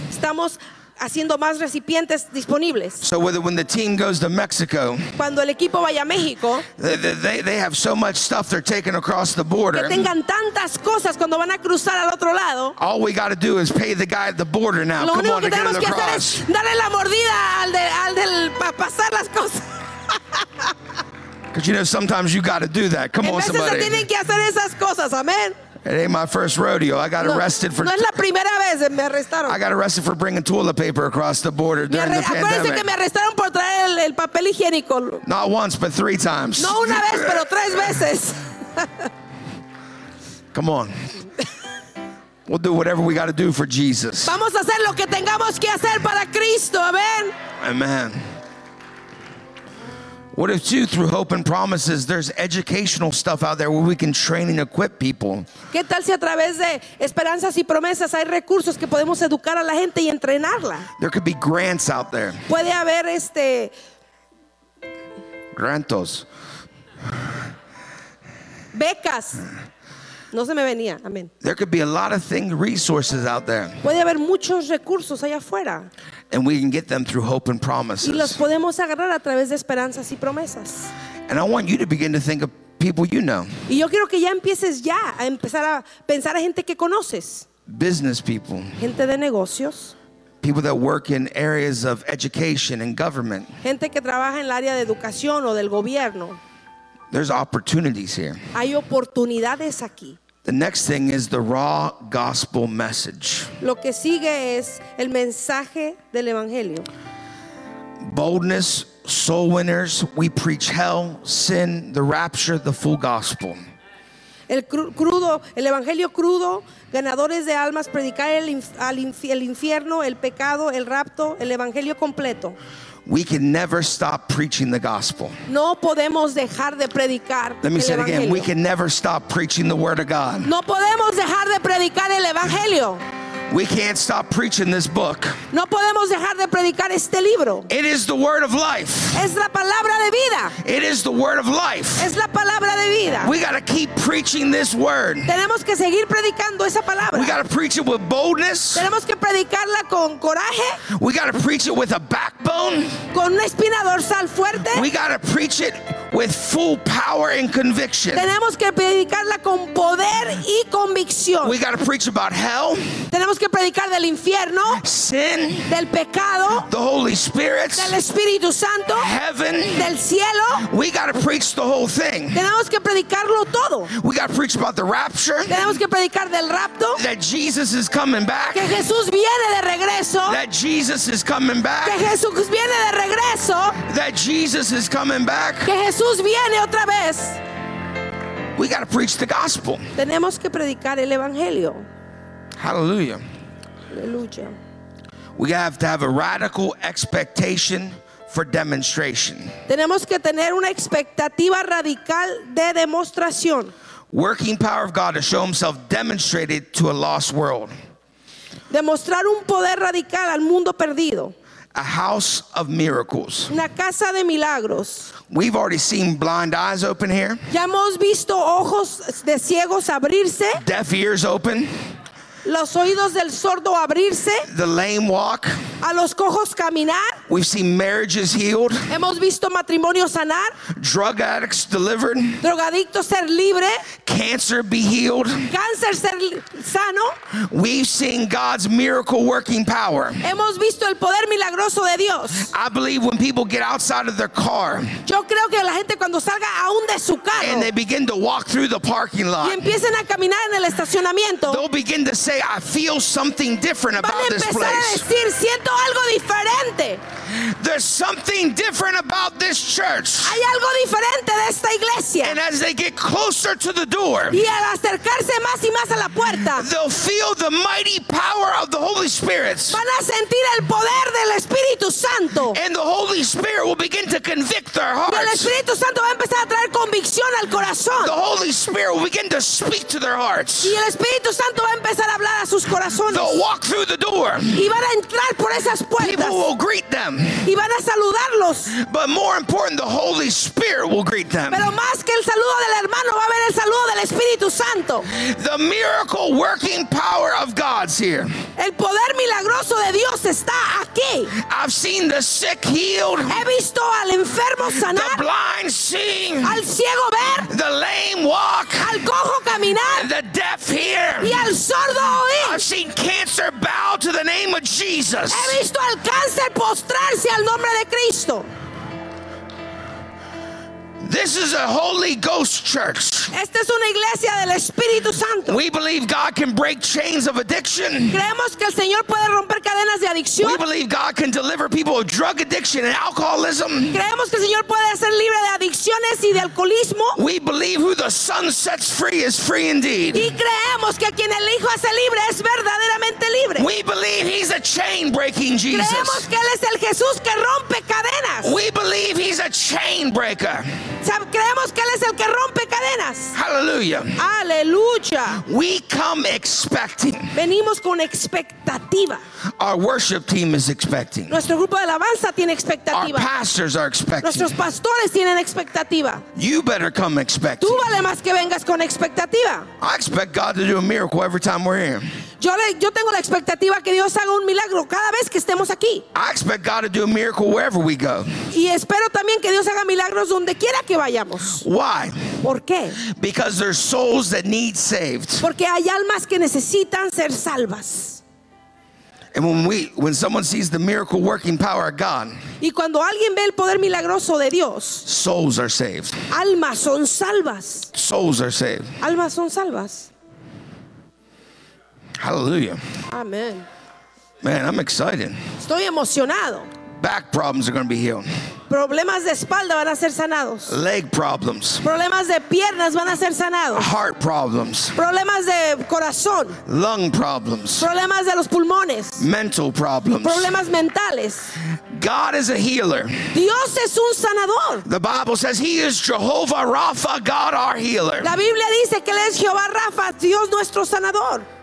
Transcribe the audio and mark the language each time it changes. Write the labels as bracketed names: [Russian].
[Spanish] Estamos haciendo más recipientes disponibles. [English] So when the team goes to Mexico, [Spanish] cuando el equipo vaya a México, [English] they have so much stuff they're taking across the border. [Spanish] Que tengan tantas cosas cuando van a cruzar al otro lado. [English] All we got to do is pay the guy at the border now. [Spanish] Lo [English] come [Spanish] único que [English] on, [Spanish] tenemos que hacer es darle la mordida al del para pasar las cosas. [English] Because you know sometimes you got to do that. Come [Spanish] en [English] on, somebody. [Spanish] Se tienen que hacer esas cosas, amén. [English] It ain't my first rodeo. I got arrested for. [Spanish] No es la primera vez que me arrestaron. [English] I got arrested for bringing toilet paper across the border during the pandemic. [Spanish] Acuérdense que me arrestaron por traer el papel higiénico. [English] Not once, but three times. [Spanish] No una vez, pero tres veces. [English] Come on. We'll do whatever we got to do for Jesus. [Spanish] Vamos a hacer lo que tengamos que hacer para Cristo. [English] Amen. [Spanish] Amen. [English] What if too, through hope and promises, there's educational stuff out there where we can train and equip people? [Spanish] ¿Qué tal si a través de esperanzas y promesas hay recursos que podemos educar a la gente y entrenarla? [English] There could be grants out there. [Spanish] Puede haber grantos. Becas. No se me venía. Amén. [English] There could be a lot of things, resources out there. [Spanish] Puede haber muchos recursos allá afuera. [English] And we can get them through hope and promises. [Spanish] Y los podemos agarrar a través de esperanzas y promesas. [English] And I want you to begin to think of people you know. [Spanish] Y yo quiero que ya empieces ya a empezar a pensar a gente que conoces. [English] Business people. [Spanish] Gente de negocios. [English] People that work in areas of education and government. [Spanish] Gente que trabaja en el área de educación o del gobierno. [English] There's opportunities here. [Spanish] Hay oportunidades aquí. [English] The next thing is the raw gospel message. [Spanish] Lo que sigue es el mensaje del evangelio. [English] Boldness, soul winners, we preach hell, sin, the rapture, the full gospel. [Spanish] El evangelio crudo, ganadores de almas, predicar el infierno, el pecado, el rapto, el evangelio completo. [English] We can never stop preaching the gospel. [Spanish] No podemos dejar de predicar. [English] Let me say it again. [Spanish] Evangelio. [English] We can never stop preaching the word of God. [Spanish] No podemos dejar de predicar el evangelio. [English] We can't stop preaching this book. [Spanish] No podemos dejar de predicar este libro. [English] It is the word of life. [Spanish] Es la palabra de vida. [English] It is the word of life. [Spanish] Es la palabra de vida. [English] We got to keep preaching this word. [Spanish] Tenemos que seguir predicando esa palabra. [English] We got to preach it with boldness. [Spanish] Tenemos que predicarla con coraje. [English] We got to preach it with a backbone. [Spanish] Con una espina dorsal fuerte. [English] We got to preach it with full power and conviction. [Spanish] Tenemos que predicarla con poder y convicción. [English] We got to preach about hell. [Spanish] Tenemos que predicar del infierno, [English] sin, [Spanish] del pecado, [English] the Holy Spirit, [Spanish] del Espíritu Santo, [English] heaven, [Spanish] del cielo. [English] We got to preach the whole thing. [Spanish] Tenemos que predicarlo todo. [English] We got to preach about the rapture. [Spanish] Tenemos que predicar del rapto. [English] That Jesus is coming back. [Spanish] Que Jesús viene de regreso. [English] That Jesus is coming back. [Spanish] Que Jesús viene de regreso. [English] That Jesus is coming back. [Spanish] Que Jesús viene otra vez. [English] We got to preach the gospel. [Spanish] Tenemos que predicar el evangelio. [English] Hallelujah. [Spanish] Hallelujah. [English] We have to have a radical expectation for demonstration. [Spanish] Tenemos que tener una expectativa radical de demostración. [English] Working power of God to show himself demonstrated to a lost world. [Spanish] Demostrar un poder radical al mundo perdido. [English] A house of miracles. [Spanish] Una casa de milagros. [English] We've already seen blind eyes open here. [Spanish] Ya hemos visto ojos de ciegos abrirse. [English] Deaf ears open. [Spanish] Los oídos del sordo abrirse. [English] The lame walk. [Spanish] A los cojos caminar. [English] We've seen marriages healed. [Spanish] Hemos visto matrimonios sanar. [English] Drug addicts delivered. [Spanish] Drogadictos ser libre. [English] Cancer be healed. [Spanish] Cáncer ser sano. [English] We've seen God's miracle working power. [Spanish] Hemos visto el poder milagroso de Dios. [English] I believe when people get outside of their car. [Spanish] Yo creo que la gente cuando salga aún de su carro. [English] And they begin to walk through the parking lot. [Spanish] Y empiecen a caminar en el estacionamiento. [English] They'll begin to say, I feel something different about this place. [Spanish] A decir, siento algo diferente. [English] There's something different about this church. [Spanish] Hay algo diferente de esta iglesia. [English] And as they get closer to the door, [Spanish] y al acercarse más y más a la puerta, [English] they'll feel the mighty power of the Holy Spirit. [Spanish] Van a sentir el poder del Espíritu Santo. [English] And the Holy Spirit will begin to convict their hearts. [Spanish] Y el Espíritu Santo va a empezar a traer convicción al corazón. [English] The Holy Spirit will begin to speak to their hearts. [Spanish] Y el Espíritu Santo va a empezar a hablar a sus corazones. [English] They'll walk through the door. [Spanish] Y van a entrar por esas puertas. [English] People will greet them. [Spanish] Y van a saludarlos. [English] But more important, the Holy Spirit will greet them. [Spanish] Pero más que el saludo del hermano, va a haber el saludo del Espíritu Santo. [English] The miracle working power of God's here. [Spanish] El poder milagroso de Dios está aquí. [English] I've seen the sick healed. [Spanish] He visto al enfermo sanar. [English] The blind seeing. [Spanish] Al ciego ver. [English] The lame walk. [Spanish] Al cojo caminar. [English] The deaf hear. [Spanish] Y al sordo oír. [English] I've seen cancer bow to the name of Jesus. [Spanish] He visto al cáncer postrarse al nombre de Cristo. [English] This is a Holy Ghost church. [Spanish] Esta es una iglesia del Espíritu Santo. [English] We believe God can break chains of addiction. [Spanish] Creemos que el Señor puede romper cadenas de adicción. [English] We believe God can deliver people of drug addiction and alcoholism. [Spanish] Creemos que el Señor puede hacer libre de adicciones y de alcoholismo. [English] We believe who the Son sets free is free indeed. [Spanish] Y creemos que quien el Hijo hace libre es verdaderamente libre. [English] We believe he's a chain breaking Jesus. [Spanish] Creemos que él es el Jesús que rompe cadenas. [English] We believe he's a chain breaker. [Spanish] Creemos que él es el que rompe cadenas. [English] Hallelujah. [Spanish] Aleluya. [English] We come expecting. [Spanish] Venimos con expectativa. [English] Our worship team is expecting. [Spanish] Nuestro grupo de alabanza tiene expectativa. [English] Our pastors are expecting. [Spanish] Nuestros pastores tienen expectativa. [English] You better come expecting. [Spanish] Tú vale más que vengas con expectativa. [English] I expect God to do a miracle every time we're here. [Spanish] Yo tengo la expectativa que Dios haga un milagro cada vez que estemos aquí. [English] I expect God to do a miracle wherever we go. [Spanish] Y espero también que Dios haga milagros donde quiera que vayamos. [English] Why? [Spanish] ¿Por qué? [English] Because there's souls that need saved. [Spanish] Porque hay almas que necesitan ser salvas. [English] And when someone sees the miracle working power of God, [Spanish] y cuando alguien ve el poder milagroso de Dios, [English] souls are saved. [Spanish] Almas son salvas. [English] Souls are saved. [Spanish] Almas son salvas. [English] Hallelujah. [Spanish] Amen. [English] Man, I'm excited. [Spanish] Estoy emocionado. [English] Back problems are going to be healed. [Spanish] Problemas de espalda van a ser sanados. [English] Leg problems. [Spanish] Problemas de piernas van a ser sanados. [English] Heart problems. [Spanish] Problemas de corazón. [English] Lung problems. [Spanish] Problemas de los pulmones. [English] Mental problems. [Spanish] Problemas mentales. [English] God is a healer. [Spanish] Dios es un sanador. [English] The Bible says he is Jehovah Rapha, God our healer. [Spanish] La Biblia dice que él es Jehová Rapha, Dios nuestro sanador.